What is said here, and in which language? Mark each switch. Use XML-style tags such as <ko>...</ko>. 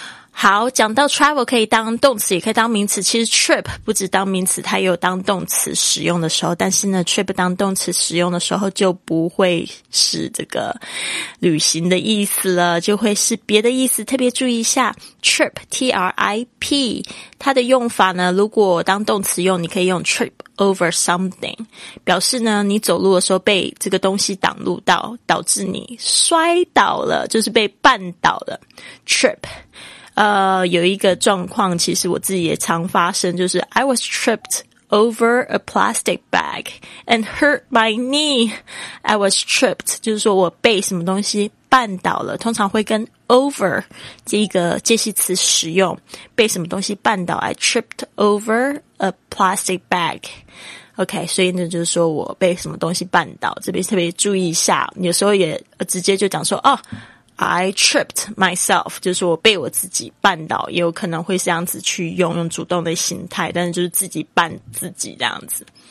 <zh>好，讲到 travel 可以当动词也可以当名词，其实 trip 不只当名词，它也有当动词使用的时候，但是呢 trip 当动词使用的时候就不会是这个旅行的意思了，就会是别的意思。特别注意一下 trip T-R-I-P 它的用法呢，如果当动词用，你可以用</zh> <en>trip over something，</en> <zh>表示呢你走路的时候被这个东西挡路到，导致你摔倒了，就是被绊倒了。 trip有一个状况其实我自己也常发生，就是</zh> <en>I was tripped over a plastic bag and hurt my knee. I was tripped</en> <zh>就是说我被什么东西绊倒了，通常会跟 over 这个介系词使用，被什么东西绊倒，</zh> <en>I tripped over a plastic bag。</en> <zh>OK， 所以呢就是说我被什么东西绊倒，这边特别注意一下，有时候也直接就讲说哦</zh> <en>I tripped myself，</en> <zh>就是我被我自己绊倒，也有可能会这样子去用，用主动的形态，但是就是自己绊自己这样子。</zh>